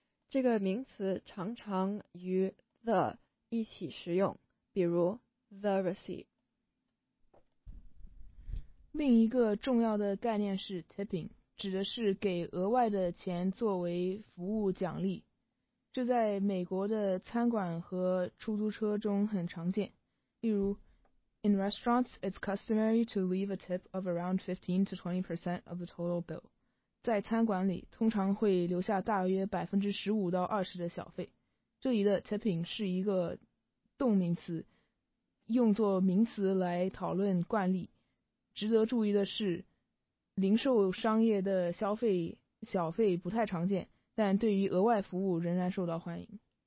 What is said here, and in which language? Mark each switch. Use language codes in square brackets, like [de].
[zh] 这个名词常常与 the 一起使用，比如 the receipt。另一个重要的概念是 tipping， 指的是给额外的钱作为服务奖励，这在美国的餐馆和出租车中很常见，例如。 [en] In restaurants, it's customary to leave a tip of around 15% to 20% of the total bill. [zh] 在餐馆里，通常会留下大约15%到20%的小费。这里的 tipping 是一个动名词，用作名词来讨论惯例。值得注意的是，零售商业的小费不太常见，但对于额外服务仍然受到欢迎。